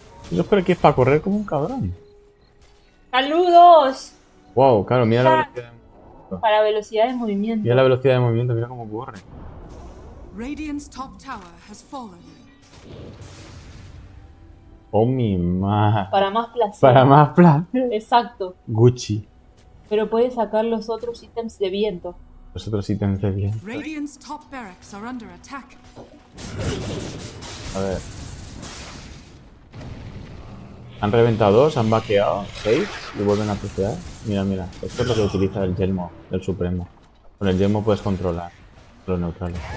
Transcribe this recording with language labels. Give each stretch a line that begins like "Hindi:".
Spanish: Yo creo que es para correr como un cabrón. ¡Saludos! Wow, claro, mira la velocidad de movimiento. Para velocidad de movimiento. Mira la velocidad de movimiento, mira cómo corre.
English: Radiant's top tower has fallen.
Spanish: Oh, mi madre. Para más placer. Para más placer. Exacto. Gucci. Pero puedes sacar los otros ítems de viento. Los otros ítems de viento.
English: Radiant's top barracks are under attack.
Spanish: A ver. Han reventado, se han vaqueado 6 y vuelven a pusear. Mira, mira, esto es lo que utiliza el yelmo del supremo. Con el yelmo puedes controlar los neutrales.